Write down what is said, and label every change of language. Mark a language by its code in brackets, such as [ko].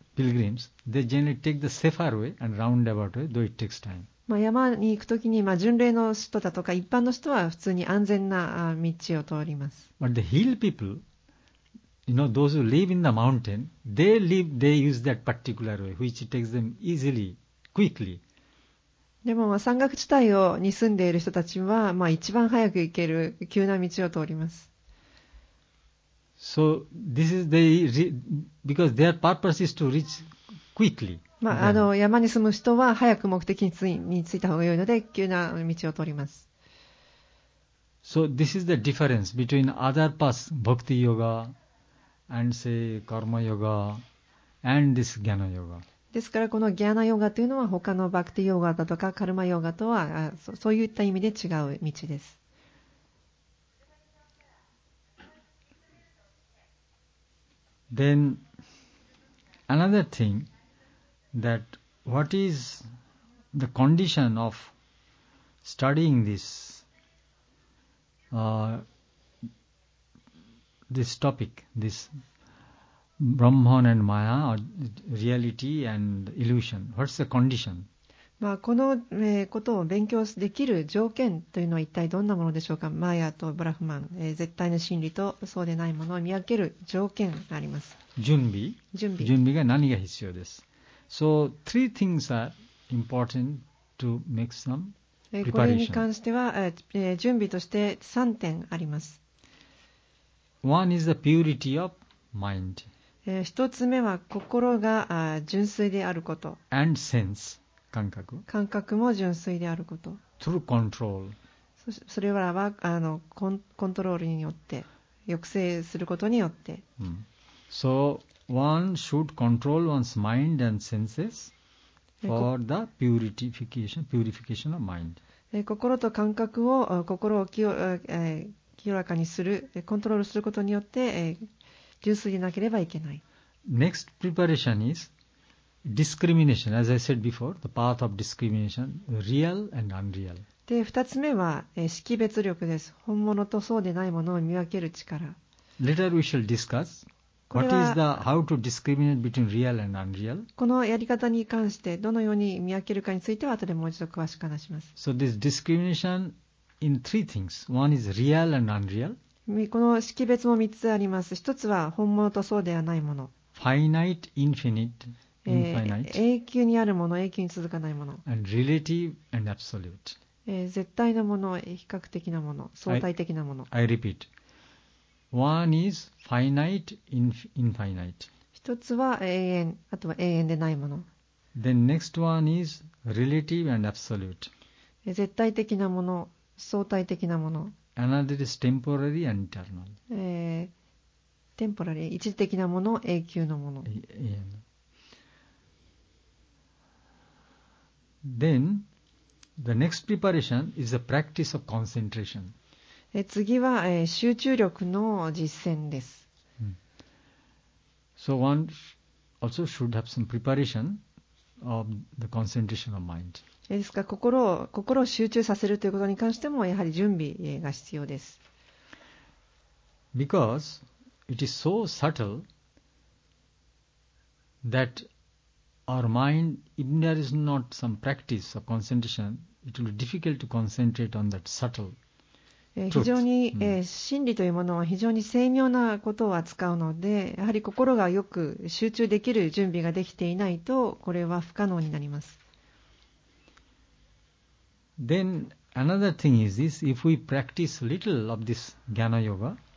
[en] Pilgrims, they generally take the safer way and roundabout way, though it takes time. [ja] まあ山に行くときに、まあ巡礼の人だとか一般の人は普通に安全な道を通ります。 [en] But the hill people, you know, those who live in the mountain, they use that particular way, which takes them easily, quickly. [ja] でも山岳地帯に住んでいる人たちは、まあ一番早く行ける急な道を通ります。 [en] So this is the because their purpose is to reach quickly. [ja] まあ、山に住む人は早く目的に着いた方が良いので急な道を通ります。 [en] So this is the difference between other paths, bhakti yoga and say karma yoga and this jnana yoga. [ja] ですからこのギャナヨガというのは他のバクティヨガだとかカルマヨガとはそういった意味で違う道です。 [en] Then another thing, that what is the condition of studying this this topic, this Brahman and Maya, or reality and illusion? What's the condition? [ja] まあこのことを勉強できる条件というのは一体どんなものでしょうか。マヤとブラフマン、絶対の真理とそうでないものを見分ける条件があります。準備が何が必要です。 [en] So three things are important to make some preparation. [ja] これに関しては、準備として3点あります。 [en] One is the purity of mind. [ja] 一つ目は心が純粋であること。 [en] And sense. [ja] 感覚も純粋であること。 [en] Through control. [ja] それらはコントロールによって抑制することによって、 [en] So one should control one's mind and senses for the purification of mind. [ja] 心と感覚を心を清らかにするコントロールすることによって純粋でなければいけない。 [en] Next preparation isDiscrimination, as I said before, the path of discrimination, real and unreal. [ja] で、二つ目は、識別力です。本物とそうでないものを見分ける力。 [en] Later we shall discuss what is the how to discriminate between real and unreal. [ja] このやり方に関してどのように見分けるかについては後でもう一度詳しく話します。 [en] So this discrimination in three things. One is real and unreal. [ja] この識別も三つあります。一つは本物とそうではないもの。 [en] Finite, infinite. [ja] 永久にあるもの、永久に続かないもの。 [en] And relative and absolute. [ja] 絶対のもの、比較的なもの、相対的なもの。 [en] I repeat. One is finite, infinite. [ja] 一つは永遠、あとは永遠でないもの。 [en] Then next one is relative and absolute. [ja] 絶対的なもの、相対的なもの。 [en] Another is temporary and eternal. [ja] テンポラリー、一時的なもの、永久のもの。 [en] Then, the next preparation is the practice of concentration. [ja] 次は、集中力の実践です。 Hmm. [en] So one also should have some preparation of the concentration of mind. [ja] ですから心を集中させるということに関してもやはり準備が必要です。 [en] Because it is so subtle that our mind, if there is not some practice of concentration, it will be difficult to concentrate on that subtle. [ja] 非常に、真理というものは非常に精妙なことを扱うので、やはり心がよく集中できる準備ができていないとこれは不可能になります。 [en] Then another thing is this, if we practice little of this Jnana Yoga,